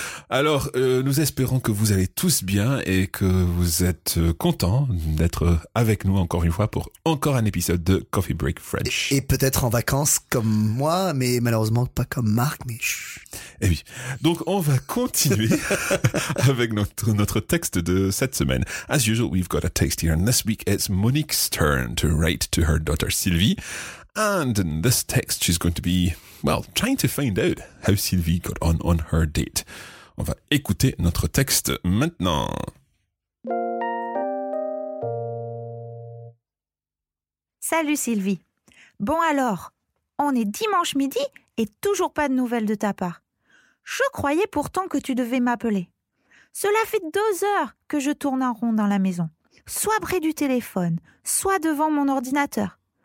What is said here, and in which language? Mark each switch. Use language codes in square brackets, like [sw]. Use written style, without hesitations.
[fr] Alors, nous espérons que vous allez tous bien et que vous êtes contents d'être avec nous encore une fois pour encore un épisode de Coffee Break French. Et peut-être en vacances comme moi, mais malheureusement pas comme Marc, mais chut. Eh oui. Donc, on va continuer avec notre texte de cette semaine. [en] As usual, we've got a text here, and this week it's Monique's turn to write to her daughter Sylvie, and in this text she's going to be, well, trying to find out how Sylvie got on her date. [fr] On va écouter notre texte maintenant. Salut Sylvie. Bon alors, on est dimanche midi et toujours pas de nouvelles de ta part. Je croyais pourtant que tu devais m'appeler. Cela fait 2 heures que je tourne en rond dans la maison, soit près du téléphone, soit devant mon ordinateur.